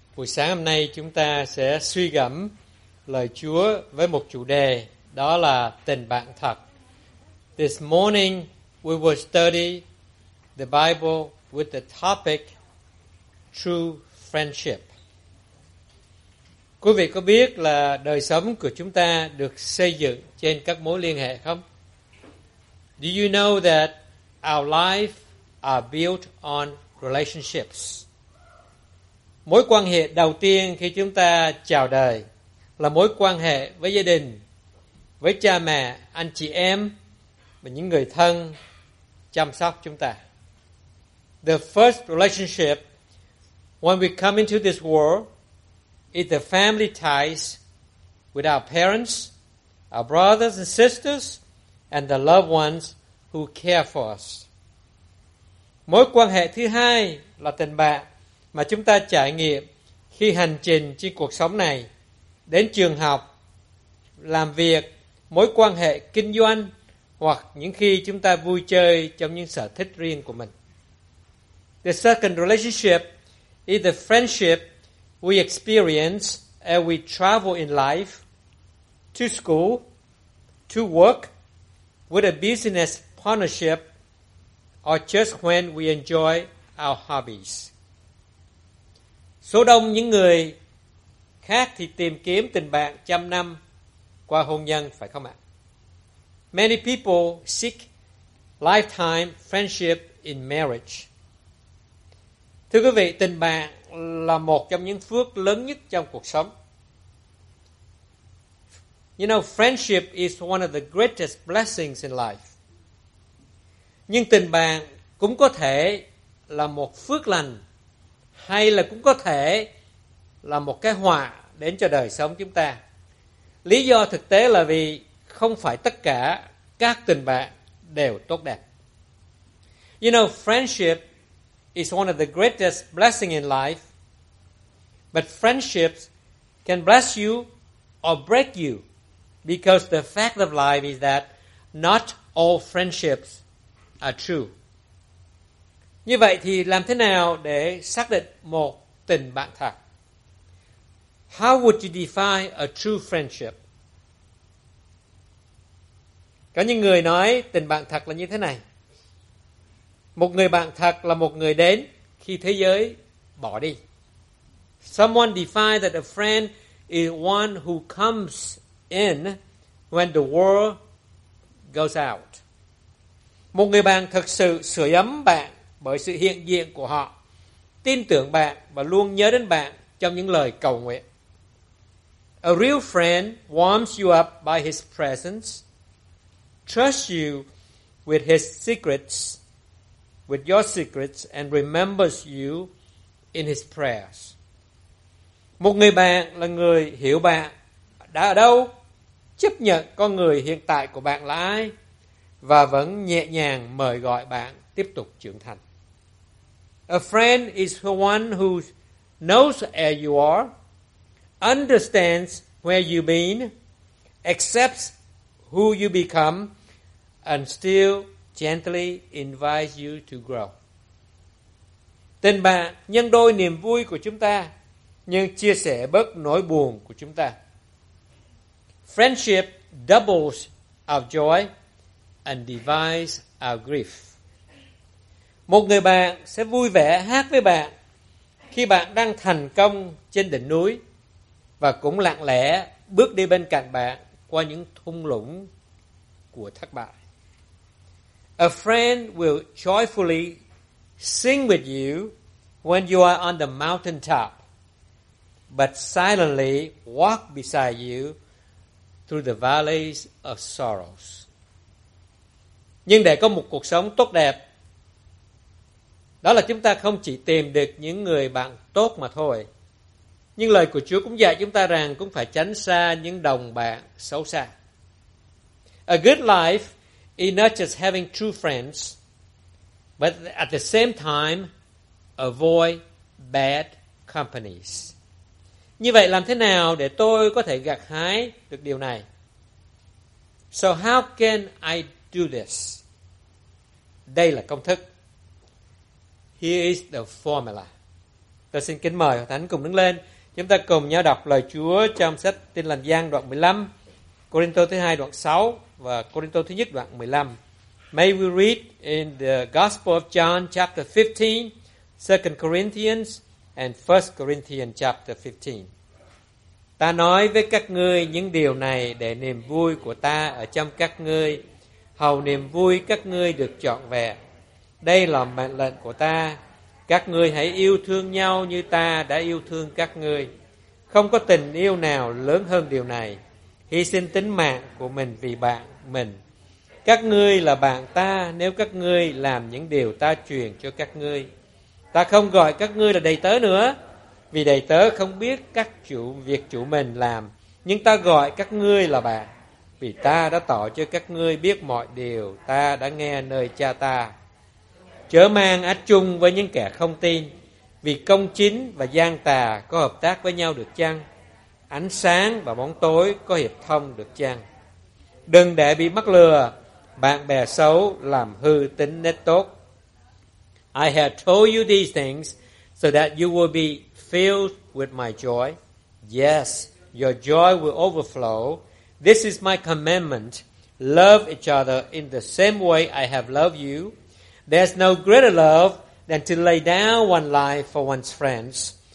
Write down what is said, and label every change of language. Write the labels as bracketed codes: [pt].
[vi] Buổi sáng hôm nay chúng ta sẽ suy gẫm lời Chúa với một chủ đề, đó là tình bạn thật. [en] This morning we will study the Bible with the topic true friendship. [vi] Quý vị có biết là đời sống của chúng ta được xây dựng trên các mối liên hệ không? [en] Do you know that our life are built on relationships? [vi] Mối quan hệ đầu tiên khi chúng ta chào đời là mối quan hệ với gia đình, với cha mẹ, anh chị em và những người thân chăm sóc chúng ta. [en] The first relationship when we come into this world is the family ties with our parents, our brothers and sisters, and the loved ones who care for us. [vi] Mối quan hệ thứ hai là tình bạn mà chúng ta trải nghiệm khi hành trình trên cuộc sống này, đến trường học, làm việc, mối quan hệ kinh doanh hoặc những khi chúng ta vui chơi trong những sở thích riêng của mình. [en] The second relationship is the friendship we experience as we travel in life, to school, to work, with a business partnership, or just when we enjoy our hobbies. [vi] Số đông những người khác thì tìm kiếm tình bạn trăm năm qua hôn nhân, phải không ạ? [en] Many people seek lifetime friendship in marriage. [vi] Thưa quý vị, tình bạn là một trong những phước lớn nhất trong cuộc sống. [en] You know, friendship is one of the greatest blessings in life. [vi] Nhưng tình bạn cũng có thể là một phước lành, hay là cũng có thể là một cái họa đến cho đời sống chúng ta. Lý do thực tế là vì không phải tất cả các tình bạn đều tốt đẹp. [en] You know, friendship is one of the greatest blessings in life, but friendships can bless you or break you, because the fact of life is that not all friendships are true. [vi] Như vậy thì làm thế nào để xác định một tình bạn thật? [en] How would you define a true friendship? [vi] Có những người nói tình bạn thật là như thế này. Một người bạn thật là một người đến khi thế giới bỏ đi. [en] Someone defined that a friend is one who comes in when the world goes out. [vi] Một người bạn thực sự sưởi ấm bạn bởi sự hiện diện của họ, tin tưởng bạn và luôn nhớ đến bạn trong những lời cầu nguyện. [en] A real friend warms you up by his presence, trusts you with his secrets, with your secrets, and remembers you in his prayers. [vi] Một người bạn là người hiểu bạn đã ở đâu, chấp nhận con người hiện tại của bạn là ai, và vẫn nhẹ nhàng mời gọi bạn tiếp tục trưởng thành. [en] A friend is one who knows where you are, understands where you've been, accepts who you become, and still gently invites you to grow. [vi] Tình bạn nhân đôi niềm vui của chúng ta, nhưng chia sẻ bớt nỗi buồn của chúng ta. [en] Friendship doubles our joy and divides our grief. [vi] Một người bạn sẽ vui vẻ hát với bạn khi bạn đang thành công trên đỉnh núi, và cũng lặng lẽ bước đi bên cạnh bạn qua những thung lũng của thất bại. [en] A friend will joyfully sing with you when you are on the mountain top, but silently walk beside you through the valleys of sorrows. [vi] Nhưng để có một cuộc sống tốt đẹp, đó là chúng ta không chỉ tìm được những người bạn tốt mà thôi. Nhưng lời của Chúa cũng dạy chúng ta rằng cũng phải tránh xa những đồng bạn xấu xa. [en] A good life is not just having true friends, but at the same time avoid bad companies. [vi] Như vậy làm thế nào để tôi có thể gặt hái được điều này? [en] So how can I do this? [vi] Đây là công thức. [en] Here is the formula. [vi] Tôi xin kính mời Hội Thánh cùng đứng lên. Chúng ta cùng nhau đọc lời Chúa trong sách Tin Lành Giang đoạn 15, Corinto thứ 2 đoạn 6 và Corinto thứ 1 đoạn 15. [en] May we read in the Gospel of John chapter 15, 2 Corinthians and 1 Corinthians chapter 15. [vi] Ta nói với các ngươi những điều này để niềm vui của ta ở trong các ngươi, hầu niềm vui các ngươi được trọn vẹn. Đây là mệnh lệnh của ta. Các ngươi hãy yêu thương nhau như ta đã yêu thương các ngươi. Không có tình yêu nào lớn hơn điều này, hy sinh tính mạng của mình vì bạn mình. Các ngươi là bạn ta nếu các ngươi làm những điều ta truyền cho các ngươi. Ta không gọi các ngươi là đầy tớ nữa, vì đầy tớ không biết các chủ việc chủ mình làm. Nhưng ta gọi các ngươi là bạn, vì ta đã tỏ cho các ngươi biết mọi điều ta đã nghe nơi cha ta. Chớ mang ách chung với những kẻ không tin, vì công chính và gian tà có hợp tác với nhau được chăng? Ánh sáng và bóng tối có hiệp thông được chăng? Đừng để bị mắc lừa, bạn bè xấu làm hư tính nết tốt. [en] I have told you these things so that you will be filled with my joy. Yes, your joy will overflow. This is my commandment. Love each other in the same way I have loved you. There's no greater love than to lay down one's life for one's friends.